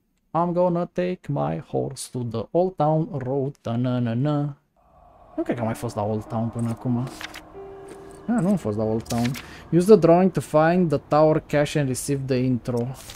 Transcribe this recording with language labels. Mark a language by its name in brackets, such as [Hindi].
[English] I'm gonna take my horse to the Old Town Road, ta-na-na-na. [Romanian] Nu cred că am mai fost la Old Town până acum. Ah, nu am fost la Old Town. [English] Use the drawing to find the tower cache and receive the intro.